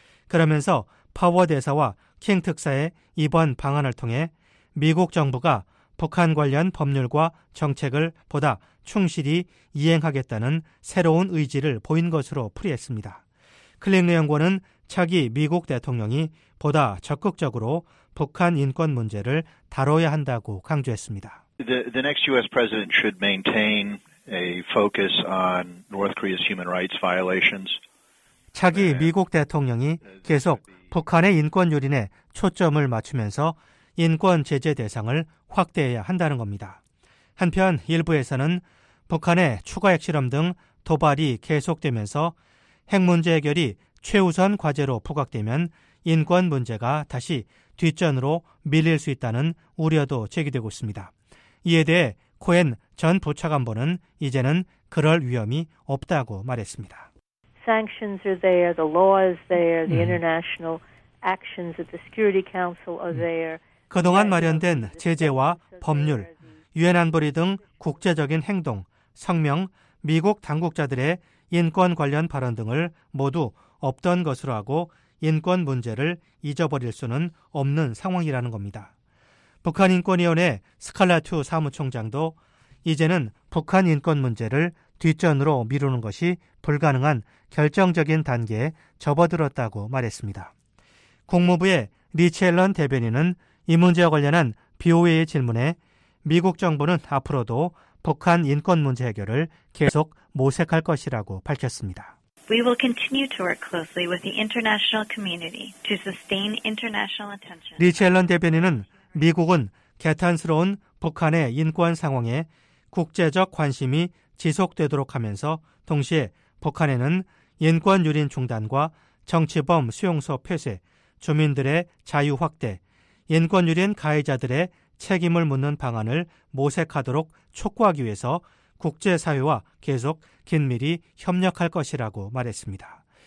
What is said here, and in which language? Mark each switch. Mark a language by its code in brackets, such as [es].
[ko] 그러면서 파워 대사와 킹 특사의 이번 방안을 통해 미국 정부가 북한 관련 법률과 정책을 보다 충실히 이행하겠다는 새로운 의지를 보인 것으로 풀이했습니다. 클링너 연구원은 차기 미국 대통령이 보다 적극적으로 북한 인권 문제를 다뤄야 한다고 강조했습니다. [en] The next U.S. president should maintain a focus on North Korea's human rights violations. [ko] 차기 미국 대통령이 계속 북한의 인권 유린에 초점을 맞추면서 인권 제재 대상을 확대해야 한다는 겁니다. 한편 일부에서는 북한의 추가 핵실험 등 도발이 계속되면서 핵 문제 해결이 최우선 과제로 부각되면 인권 문제가 다시 뒷전으로 밀릴 수 있다는 우려도 제기되고 있습니다. 이에 대해 코엔 전 부차관보는 이제는 그럴 위험이 없다고 말했습니다. [en] Sanctions are there, the law is there, the international actions at the Security Council are there. [ko] 그동안 마련된 제재와 법률, 유엔 안보리 등 국제적인 행동, 성명, 미국 당국자들의 인권 관련 발언 등을 모두 없던 것으로 하고 인권 문제를 잊어버릴 수는 없는 상황이라는 겁니다. 북한인권위원회 스칼라투 사무총장도 이제는 북한 인권 문제를 뒷전으로 미루는 것이 불가능한 결정적인 단계에 접어들었다고 말했습니다. 국무부의 리첼런 대변인은 이 문제와 관련한 BOA의 질문에 미국 정부는 앞으로도 북한 인권 문제 해결을 계속 모색할 것이라고 밝혔습니다. [en] We will continue to work closely with the international community to sustain international attention. [ko] 리 첼런 대변인은 미국은 개탄스러운 북한의 인권 상황에 국제적 관심이 지속되도록 하면서 동시에 북한에는 인권 유린 중단과 정치범 수용소 폐쇄, 주민들의 자유 확대, 인권 유린 가해자들의 책임을 묻는 방안을 모색하도록 촉구하기 위해서 국제사회와 계속 긴밀히 협력할 것이라고 말했습니다.